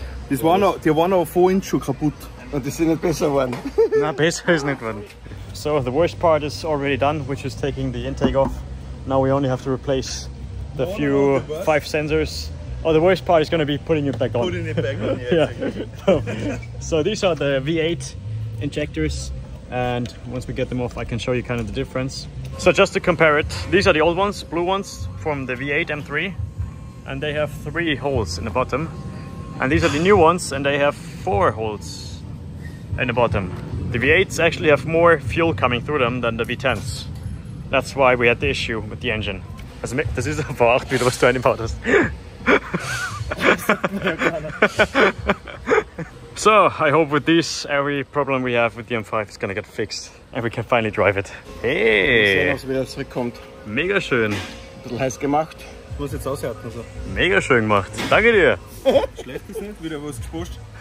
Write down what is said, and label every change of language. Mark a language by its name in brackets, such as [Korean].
[German] Das war noch, die waren noch 4 Inch schon kaputt. Und die sind nicht besser geworden. Na, besser ist nicht geworden. [English] So, the worst part is already done, which is taking the intake off. Now we only have to replace the few 5 sensors. Oh, the worst part is going to be putting it back on. Putting it back on, yeah. So these are the V8 injectors. And once we get them off, I can show you kind of the difference. So just to compare it, these are the old ones, blue ones, from the V8 M3. And they have 3 holes in the bottom. And these are the new ones, and they have 4 holes in the bottom. The V8s actually have more fuel coming through them than the V10s. That's why we had the issue with the engine. [German] Also, das ist vor 8, wie du was du eingebaut hast. [English] So, I hope with this, every problem we have with the M5 is gonna get fixed. And we can finally drive it. Hey! [German] Wir sehen, was wieder zurückkommt. Mega schön. Ein bisschen heiß gemacht. Muss jetzt aushärten, so. Mega schön gemacht. Danke dir! Schlecht ist nicht, wieder was gespuscht.